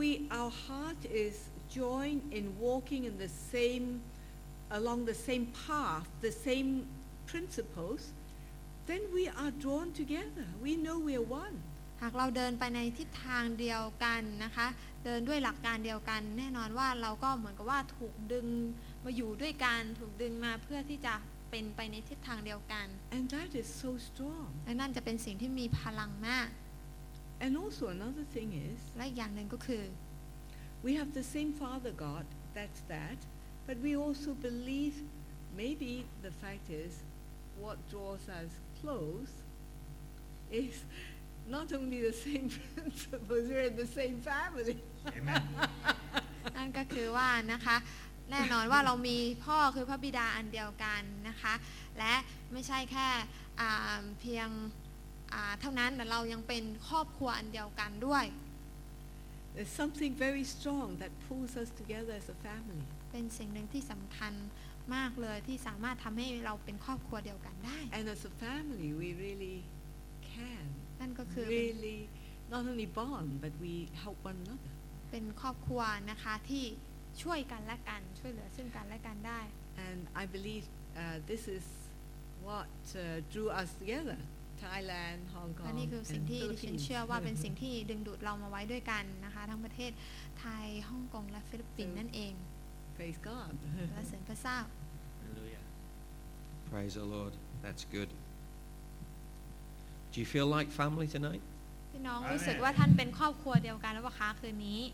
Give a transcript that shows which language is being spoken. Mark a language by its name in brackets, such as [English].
[English] our heart is joined in walking in the same along the same path, the same principles, then we are drawn together. We know we are one. [Thai] หากเราเดินไปในทิศทางเดียวกันนะคะเดินด้วยหลักการเดียวกันแน่นอนว่าเราก็เหมือนกับว่าถูกดึงมาอยู่ด้วยกันถูกดึงมาเพื่อที่จะเป็นไปในทิศทางเดียวกัน [English] And that is so strong [Thai] และนั่นจะเป็นสิ่งที่มีพลังมาก [English] And also another thing is [Thai] และอย่างหนึ่งก็คือ [English] We have the same Father God that's that but we also believe maybe the fact is what draws us close is not only the same principles we're in the same family [Thai] นั่นก็คือว่านะคะแน่นอนว่าเรามีพ่อคือพระบิดาอันเดียวกันนะคะและไม่ใช่แค่เพียงเท่านั้นแต่เรายังเป็นครอบครัวอันเดียวกันด้วย [English] There's something very strong that pulls us together as a family [Thai] เป็นสิ่งหนึ่งที่สำคัญมากเลยที่สามารถทำให้เราเป็นครอบครัวเดียวกันได้ [English] And as a family we really can [Thai] นั่นก็คือ [English] really not only bond but we help one another [Thai] เป็นครอบครัวนะคะที่ช่วยกันและกันช่วยเหลือซึ่งกันและกันได้ [English] and I believe this is what drew us together Thailand Hong Kong [Thai] นี่คือสิ่งที่ดิฉันเชื่อว่าเป็นสิ่งที่ดึงดูดเรามาไว้ด้วยกันนะคะทั้งประเทศไทยฮ่องกงและฟิลิปปินส์นั่นเอง [English] praise God [Thai] และเสริมพระเจ้า [English] hallelujah praise the Lord that's good do you feel like family tonight [Thai] พี่น้องรู้สึกว่าท่านเป็นครอบครัวเดียวกันหรือเปล่าคะคืนนี